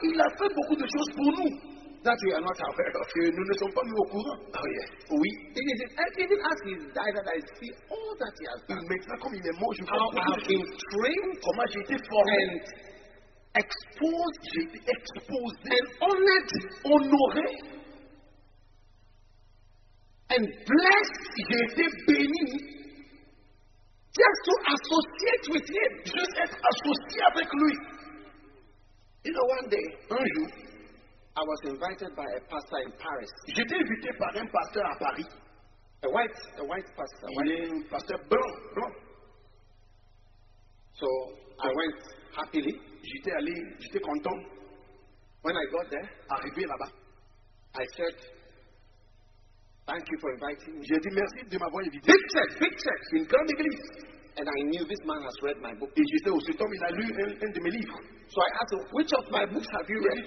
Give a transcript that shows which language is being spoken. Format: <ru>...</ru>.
<fr>Il a fait beaucoup de choses pour nous.</fr> <en>That we are not aware of.</en> <fr>Que nous ne sommes pas mis au courant.</fr> <en>Oh yes.</en> <fr>Oui.</fr> <en>Even as he died, that I see all that he has done.</en> <fr>Maintenant, comme il est mort, je</fr> <en>how I have been trained.</en> <fr>Comment j'ai été formé.</fr> <en>Exposed, and honored,</en> <fr>honoré,</fr> <en>and blessed,</en> <fr>j'ai été béni,</fr> <en>just to associate with him,</en> <fr>juste être associé avec lui.</fr> <en>You know, one day,</en> <fr>un jour,</fr> <en>I was invited by a pastor in Paris.</en> <fr>J'étais invité par un pasteur à Paris,</fr> <en>a white pastor.</en> <fr>Il est un pasteur blanc.</fr> <en>So I went happily.</en> <fr>J'étais content.</fr> <en>When I got there,</en> <fr>arrivé là-bas,</fr> <en>I said, thank you for inviting me.</en> <fr>J'ai dit merci de m'avoir invité.</fr> <en>Big check,</en> <fr>in grande église.</fr> <en>And I knew this man has read my book.</en> <fr>Et je sais aussi que il a lu un de mes livres.</fr> <en>So I asked him, which of my books have you read?</en>